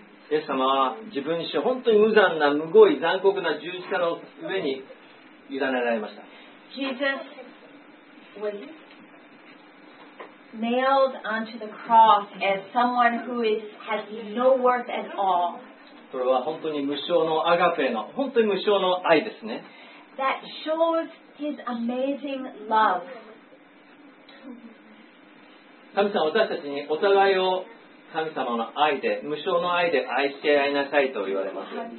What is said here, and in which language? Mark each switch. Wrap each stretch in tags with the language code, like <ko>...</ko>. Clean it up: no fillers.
<ja>イエス様は自分自身本当に無残な、むごい、残酷な十字架の上に委ねられました。</ja> <en>Jesus was... Nailed onto the cross as someone who has no worth at all.</en> <ja>それは本当に無償のアガペの本当に無償の愛ですね。</ja> <en>That shows his amazing love.</en> <ja>神様は私たちにお互いを神様の愛で無償の愛で愛し合いなさいと言われます。</ja>